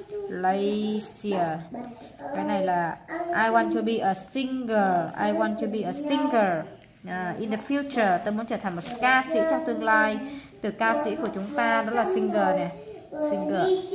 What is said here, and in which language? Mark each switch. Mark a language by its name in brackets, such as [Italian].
[English] Malaysia. [Vietnamese] Cái này là [English] I want to be a singer. I want to be a singer in the future. [Vietnamese] Tôi muốn trở thành một ca sĩ trong tương lai. Từ ca sĩ của chúng ta đó là singer này. Singer.